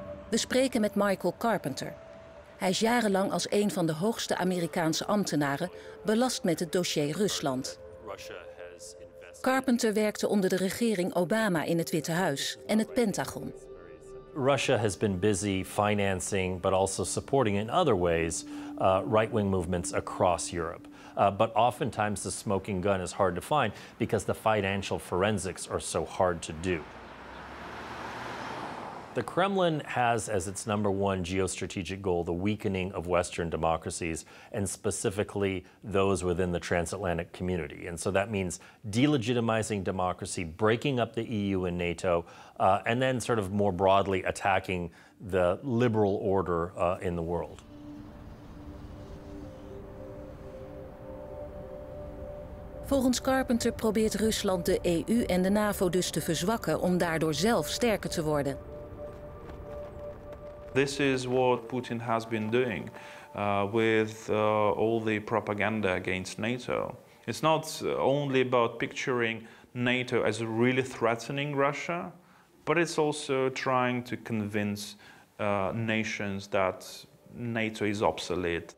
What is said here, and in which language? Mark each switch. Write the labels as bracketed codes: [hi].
[nl] We spreken met Michael Carpenter. Hij is jarenlang als een van de hoogste Amerikaanse ambtenaren belast met het dossier Rusland. Carpenter werkte onder de regering Obama in het Witte Huis en het Pentagon. [en] Russia has been busy financing, but also supporting in other ways, right-wing movements across Europe. But oftentimes the smoking gun is hard to find because the financial forensics are so hard to do. The Kremlin has as its number one geostrategic goal the weakening of Western democracies and specifically those within the transatlantic community. And so that means delegitimizing democracy, breaking up the EU and NATO, and then sort of more broadly attacking the liberal order in the world. [nl] Volgens Carpenter probeert Rusland de EU en de NAVO dus te verzwakken om daardoor zelf sterker te worden. [en] This is what Putin has been doing with all the propaganda against NATO. It's not only about picturing NATO as really threatening Russia, but it's also trying to convince nations that NATO is obsolete.